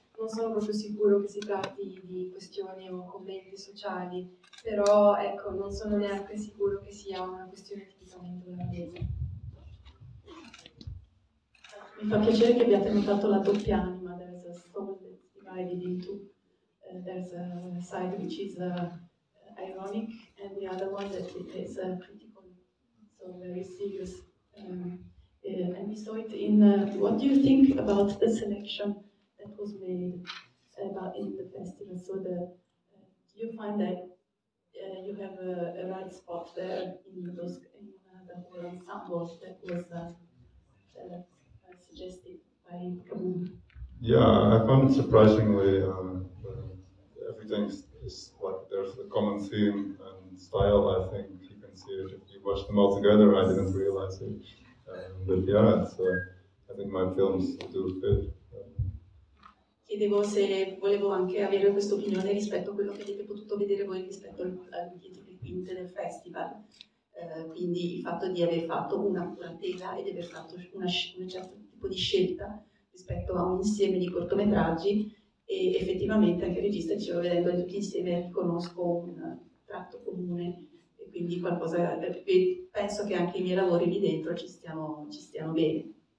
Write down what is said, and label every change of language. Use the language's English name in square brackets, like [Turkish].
[Italian] Non sono proprio sicuro che si tratti di questioni o commenti sociali, però ecco, non sono neanche sicuro che sia una questione tipicamente olandese. Mi fa piacere che abbiate notato la doppia anima. [English] There's a soul that's divided in two. There's a side which is ironic, and the other one that it is critical, so very serious. And we saw it in what do you think about the selection that was made about in the festival? So the do you find that you have a right spot there in those in the whole ensemble that was suggested by Kamun? Yeah, I found it surprisingly everything's is like there's a common theme and style. I think you can see it if you watch them all together. I didn't realize it. But yeah, so I think my films do fit. [Italian] Chiedevo se volevo anche avere questa opinione rispetto a quello che avete potuto vedere voi rispetto al dietro le quinte del festival. Quindi il fatto di aver fatto una curatela e di aver fatto un certo tipo di scelta rispetto a un insieme di cortometraggi, e effettivamente anche il regista ci va vedendo tutti insieme, riconosco un tratto comune e quindi qualcosa, penso che anche i miei lavori lì dentro ci stiano bene.